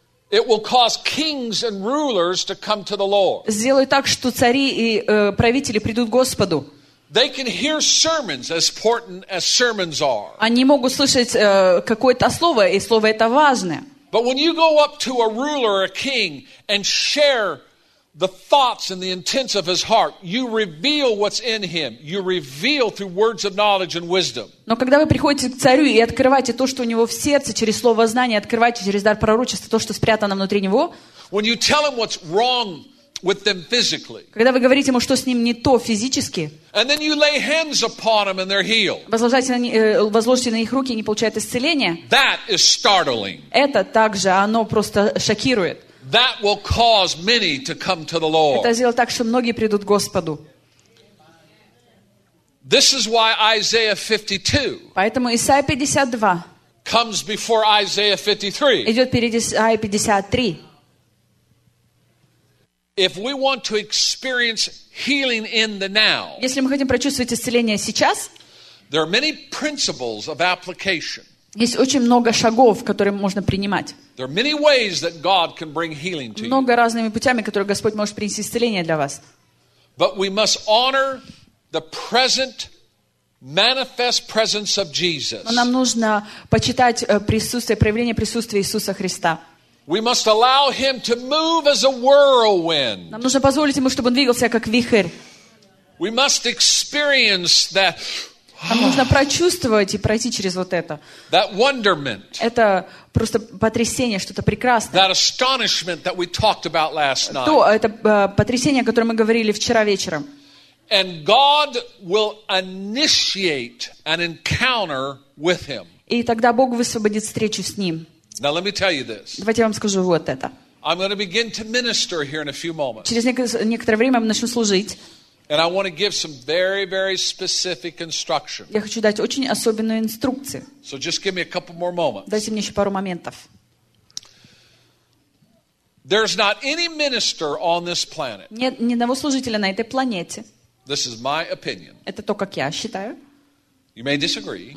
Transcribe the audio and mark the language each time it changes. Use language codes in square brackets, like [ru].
[en] It will cause kings and rulers to come to the Lord. [ru] Сделай так, что цари и правители придут к Господу. [en] They can hear sermons as important as sermons are. [ru] Они могут слышать какое-то слово, и слово это важное. [en] But when you go up to a ruler or a king and share the thoughts and the intents of his heart, you reveal what's in him. You reveal through words of knowledge and wisdom. [ru] Но когда вы приходите к царю и открываете то, что у него в сердце, через слово знания, открываете через дар пророчества то, что спрятано внутри него. [en] When you tell him what's wrong with them physically. [ru] Когда вы говорите ему, что с ним не то физически. [en] And then you lay hands upon them and they're healed. [ru] Возложите на них руки, и они получают исцеление. [en] That is startling. [ru] Это также, оно просто шокирует. [en] That will cause many to come to the Lord. [ru] Это сделает так, что многие придут к Господу. [en] This is why Isaiah 52. [ru] Поэтому Исаия 52. [en] Comes before Isaiah 53. [ru] Идет перед Исаией 53. [en] If we want to experience healing in the now. [ru] Если мы хотим прочувствовать исцеление сейчас. [en] There are many principles of application. [ru] Есть очень много шагов, которые можно принимать. [en] There are many ways that God can bring healing to you. [ru] Много разными путями, которые Господь может принести исцеление для вас. [en] But we must honor the present manifest presence of Jesus. [ru] Но нам нужно почитать присутствие, проявление присутствия Иисуса Христа. [en] We must allow him to move as a whirlwind. [ru] Нам нужно позволить ему, чтобы он двигался как вихрь. [en] We must experience that. [ru] Нам нужно прочувствовать и пройти через вот это. [en] That wonderment. [ru] Это просто потрясение, что-то прекрасное. [en] That astonishment that we talked about last night. [ru] Это потрясение, о котором мы говорили вчера вечером. [en] And God will initiate an encounter with him. [ru] И тогда Бог высвободит встречу с ним. [en] Now let me tell you this. [ru] Давайте я вам скажу вот это. [en] I'm going to begin to minister here in a few moments. [ru] Через некоторое время мы начнем служить. [en] And I want to give some very, very specific instruction. [ru] Я хочу дать очень особенную инструкцию. [en] So just give me a couple more moments. [ru] Дайте мне еще пару моментов. [en] There's not any minister on this planet. [ru] Нет ни одного служителя на этой планете. [en] This is my opinion. [ru] Это то, как я считаю. [en] You may disagree.